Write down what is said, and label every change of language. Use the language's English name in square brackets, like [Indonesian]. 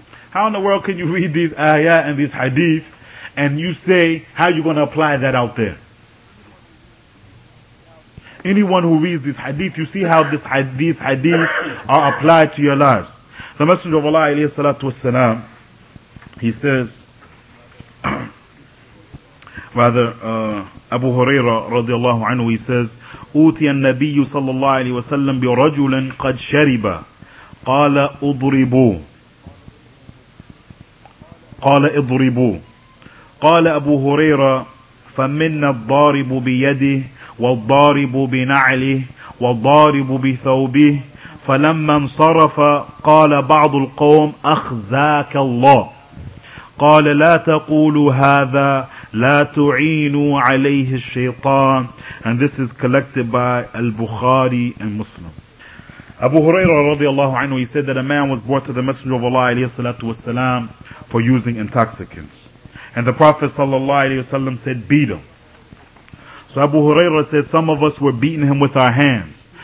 [English] How in the world can you read these ayah and these hadith and you say, how are you going to apply that out there? Anyone who reads these hadith, you see how this these hadith are applied to your lives. The Messenger of Allah, alayhi salatu wasalam, he says, rather, Abu Huraira radiallahu anhu, he says, [Arabic] أُوتِيَ النَّبِيُّ صَلَّى اللَّهُ عَلَيْهِ وَسَلَّمْ بِرَجُلٍ قَدْ شَرِبَ قَالَ اُضْرِبُوا قَالَ اِضْرِبُوا قَالَ أَبُو هُرَيْرَ فَمِنَّ الضَّارِبُ بِيَدِهِ وَالضَّارِبُ بِنَعْلِهِ وَالضَّارِبُ بِثَوْبِهِ فَلَمَّا انْصَرَفَ قَالَ بَعْضُ الْقَوْمِ أَخْزَاكَ اللَّهُ قال لا تقولوا هذا لا تعينوا عليه الشيطان. [English] And this is collected by Al-Bukhari and Muslim. Abu Huraira radiallahu anhu, he said that a man was brought to the Messenger of Allah alayhi salatu wasalam for using intoxicants. And the Prophet sallallahu alayhi wasalam said, beat him. So Abu Huraira said, some of us were beating him with our hands.